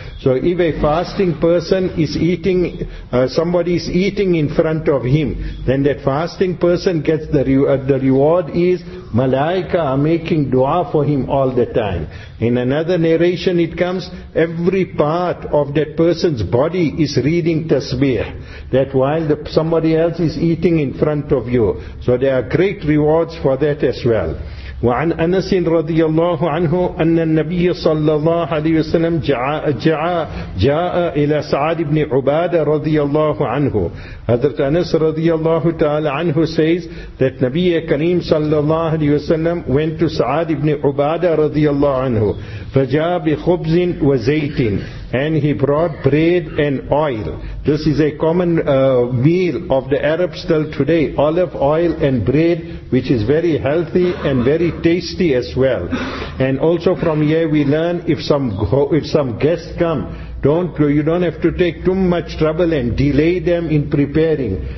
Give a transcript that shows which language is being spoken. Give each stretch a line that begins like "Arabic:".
English: So if a fasting person is eating, somebody is eating in front of him, then that fasting person gets the reward is malaika are making dua for him all the time. In another narration it comes, every part of that person's body is reading tasbih, that while somebody else is eating in front of you. So there are great rewards for that as well.
Arabic: وعن أنس رضي الله عنه أن النبي صلى الله عليه وسلم جاء إلى سعد بن عبادة رضي الله عنه.
English: حضرت أنس رضي الله تعالى عنه says that نبي كريم صلى الله عليه وسلم went to سعد بن عبادة رضي الله عنه
Arabic: فجاء بخبز وزيت,
English: and he brought bread and oil. This is a common meal of the Arabs till today, olive oil and bread, which is very healthy and very tasty as well. And also from here we learn, if some guests come, you don't have to take too much trouble and delay them in preparing.